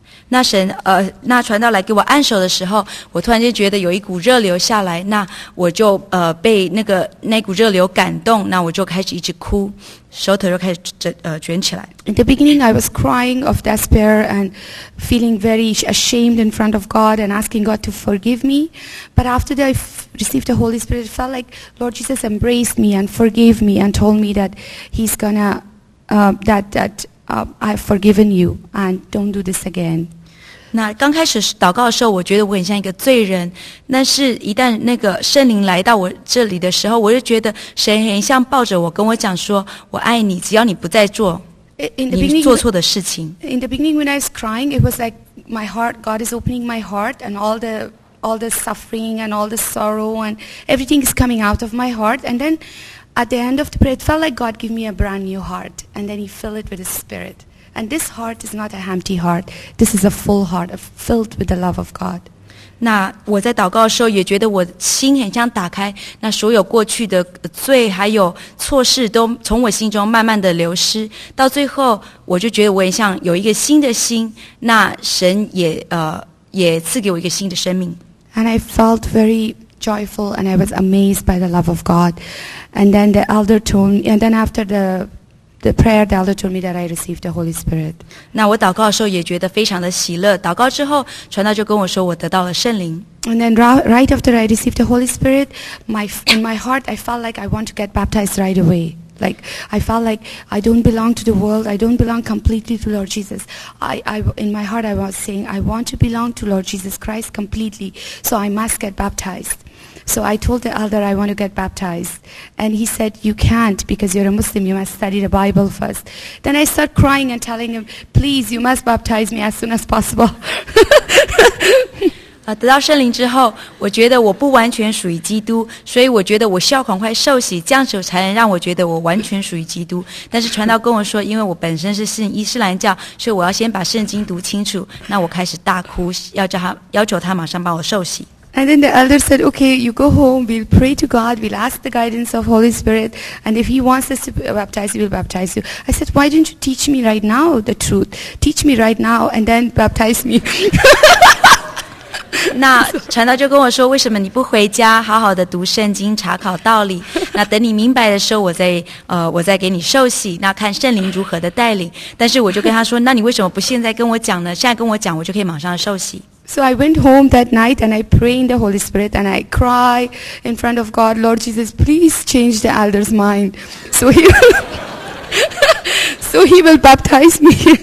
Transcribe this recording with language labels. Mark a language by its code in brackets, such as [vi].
[zh] 那神那传道来给我按手的时候，我突然间觉得有一股热流下来，那我就被那股热流感动，那我就开始一直哭，手头就开始卷起来。 [en] In the beginning, I was crying of despair and feeling very ashamed in front of God and asking God to forgive me. But after that, I received the Holy Spirit, it felt like Lord Jesus embraced me and forgave me and told me that He's gonna I've forgiven you, and don't do this again. [zh] 那刚开始祷告的时候，我觉得我很像一个罪人。但是，一旦那个圣灵来到我这里的时候，我就觉得神很像抱着我，跟我讲说：“我爱你，只要你不再做你做错的事情。” [en] In the beginning, when I was crying, it was like my heart. God is opening my heart, and all the suffering and all the sorrow and everything is coming out of my heart, and then. At the end of the prayer, it felt like God gave me a brand new heart, and then He filled it with His Spirit. And this heart is not a empty heart; this is a full heart, filled with the love of God. [zh] 那我在祷告的时候也觉得我心很像打开，那所有过去的罪还有错事都从我心中慢慢的流失。到最后，我就觉得我很像有一个新的心。那神也赐给我一个新的生命。 [en] And I felt very joyful, and I was amazed by the love of God. And then the elder told me, and then after the prayer, the elder told me that I received the Holy Spirit. [zh] 那我祷告的时候也觉得非常的喜乐。祷告之后，传道就跟我说我得到了圣灵。 [en] And then right after I received the Holy Spirit, in my heart, I felt like I want to get baptized right away. Like, I felt like I don't belong to the world. I don't belong completely to Lord Jesus. In my heart, I was saying, I want to belong to Lord Jesus Christ completely. So I must get baptized. So I told the elder I want to get baptized. And he said, you can't because you're a Muslim. You must study the Bible first. Then I start crying and telling him, please, you must baptize me as soon as possible. [zh] 得到圣灵之后，我觉得我不完全属于基督，所以我觉得我需要赶快受洗，这样子才能让我觉得我完全属于基督。但是传道跟我说，因为我本身是信伊斯兰教，所以我要先把圣经读清楚。那我开始大哭，要求他马上帮我受洗。 [en] And then the elder said, okay, you go home, we'll pray to God, we'll ask the guidance of Holy Spirit, and if He wants us to baptize you, we'll baptize you. I said, why didn't you teach me right now the truth? Teach me right now and then baptize me. [zh] 那传道就跟我说，为什么你不回家好好的读圣经查考道理，那等你明白的时候我再给你受洗，那看圣灵如何的带领。但是我就跟他说，那你为什么不现在跟我讲呢？现在跟我讲我就可以马上受洗。 [en] So I went home that night and I pray in the Holy Spirit and I cry in front of God, Lord Jesus, please change the elder's mind. So he will, so he will baptize me.